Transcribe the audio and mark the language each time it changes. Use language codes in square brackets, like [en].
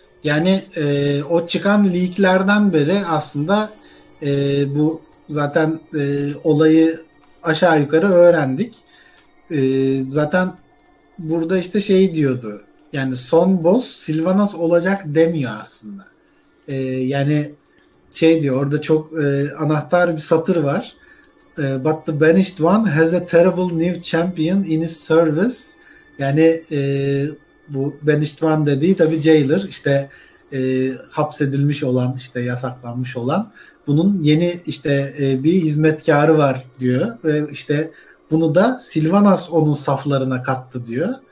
[tr] Yani o çıkan leaklerden beri aslında bu zaten olayı aşağı yukarı öğrendik. Zaten burada işte şey diyordu. Yani son boss Sylvanas olacak demiyor aslında. Yani şey diyor, orada çok anahtar bir satır var. [en] But the banished one has a terrible new champion in his service. [tr] Yani bu banished one dediği tabi Jailer, işte hapsedilmiş olan, işte yasaklanmış olan, bunun yeni işte bir hizmetkarı var diyor ve işte bunu da Sylvanas onun saflarına kattı diyor.